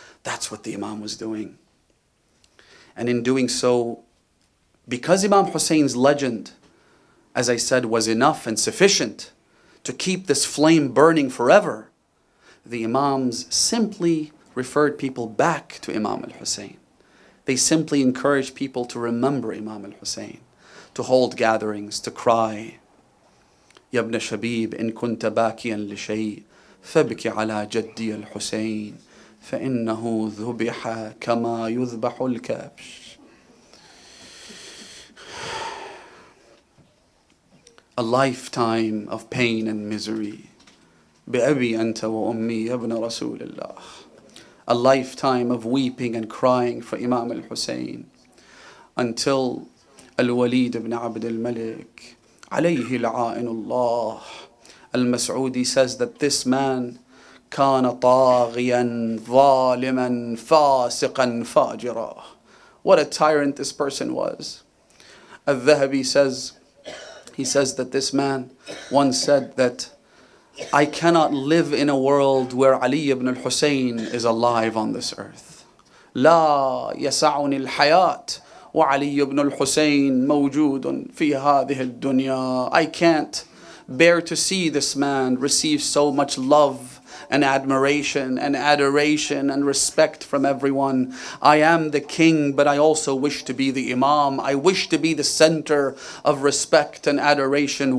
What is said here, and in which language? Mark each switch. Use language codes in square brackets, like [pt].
[en] That's what the Imam was doing. And in doing so, because Imam Hussein's legend, as I said, was enough and sufficient to keep this flame burning forever, the Imams simply referred people back to Imam al-Hussein. They simply encouraged people to remember Imam al-Hussein, to hold gatherings, to cry, [ar] يَبْنَ شَبِيبِ إِن كُنْتَ بَاكِيًا لِشَيْءٍ فَبِكِ عَلَى جَدِّيَ الْحُسَيْنِ فَإِنَّهُ ذُبِحَ كَمَا يُذْبَحُ الْكَبْشِ. [en] A lifetime of pain and misery. [ar] بِأَبِي أَنْتَ وَأُمِّي يَبْنَ رَسُولِ اللَّهِ. [en] A lifetime of weeping and crying for Imam al-Husayn until al-Walid ibn Abd al-Malik [ar] عليه العائن الله [en] al-Mas'udi says that this man [ar] كان طاغيا ظالما فاسقا فاجرا. [en] What a tyrant this person was. Al-Dhahabi says, he says that this man once said that I cannot live in a world where Ali ibn al-Husayn is alive on this earth. [ar] لا يسعني الحياة وعلي ابن الحسين موجود في هذه الدنيا. [en] I can't bear to see this man receive so much love and admiration and adoration and respect from everyone. I am the king, but I also wish to be the imam. I wish to be the center of respect and adoration.